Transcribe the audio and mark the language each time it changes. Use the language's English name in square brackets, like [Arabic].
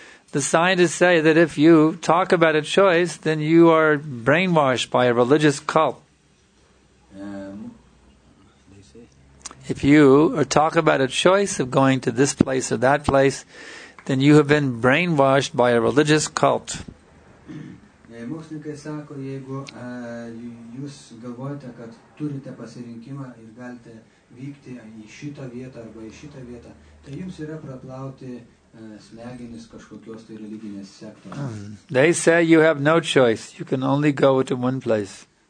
[English] The scientists say that if you talk about a choice, then you are brainwashed by a religious cult. If you talk about a choice of going to this place or that place, then you have been brainwashed by a religious cult. [Lithuanian] Mokslininkai sako, jeigu jūs galvojate, kad turite pasirinkimą ir galite vykti į šitą vietą arba į šitą vietą, tai jums yra praplauti smegenis kažkokios tai religinės sektos. [English] They say you have no choice. You can only go to one place.